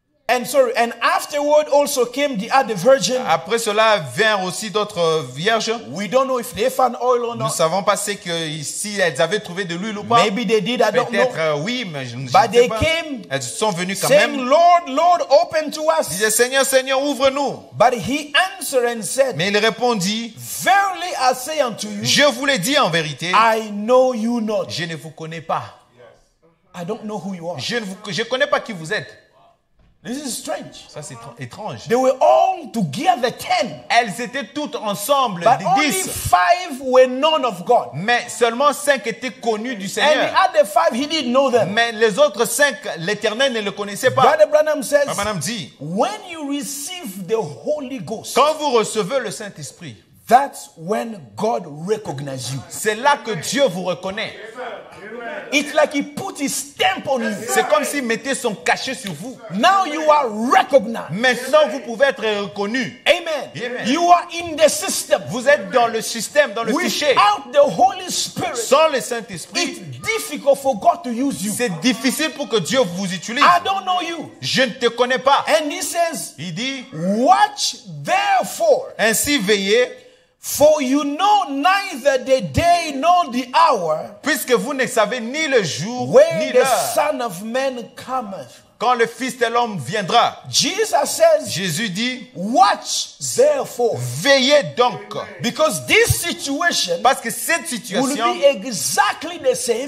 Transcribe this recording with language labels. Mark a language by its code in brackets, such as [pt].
[en] And sorry, and afterward also came the other virgin. [fr] Après cela vinrent aussi d'autres vierges. [en] We don't know if they found oil or not. [fr] Nous savons pas c'est que si elles avaient trouvé de l'huile ou pas. [en] Maybe they did, I [fr] peut-être, [en] don't know. [fr] Peut-être oui, mais je ne sais pas. [en] But they came. [fr] Elles sont venues quand [en] saying, [fr] même. [en] Saying, Lord, Lord, open to us. [fr] Disait Seigneur, Seigneur, ouvre-nous. [en] But he answered and said. [fr] Mais il répondit. [en] Verily I say unto you. [fr] Je vous l'ai dit en vérité. [en] I know you not. [fr] Je ne vous connais pas. [en] I don't know who you are. [fr] Je connais pas qui vous êtes. [en] This is strange. [fr] Ça c'est étrange. [en] They were all together 10. [fr] Elles étaient toutes ensemble. [en] But [fr] des 10. [en] Only 5 were known of God. [fr] Mais seulement 5 étaient connus du Seigneur. [en] And the other 5, he didn't know them. [fr] Mais les autres 5, l'Éternel ne le connaissait pas. [en] Brother Branham says. [fr] Branham dit. [en] When you receive the Holy Ghost. [fr] Quand vous recevez le Saint-Esprit. [en] That's when God recognizes you. [fr] C'est là que Dieu vous reconnaît. [en] It's like he put his stamp on you. [fr] C'est comme s'il mettait son cachet sur vous. [en] Now you are recognized. [fr] Maintenant, vous pouvez être reconnu. [en] Amen. Amen. You are in the system. [fr] Vous êtes dans le système, dans le fichier. [en] Without the Holy Spirit, [fr] sans le Saint-Esprit, [en] it's difficult for God to use you. [fr] C'est difficile pour que Dieu vous utilise. [en] I don't know you. [fr] Je ne te connais pas. [en] And he says, [fr] il dit, [en] watch therefore. [fr] Ainsi veillez. [en] For you know neither the day nor the hour. [fr] Puisque vous ne savez ni le jour ni l'heure. [en] the Son of Man cometh. [fr] Quand le Fils de l'homme viendra. [en] Jesus says, [fr] Jésus dit, [en] watch therefore. [fr] Veillez donc. [en] Because this situation, [fr] parce que cette situation [en] will be exactly the same,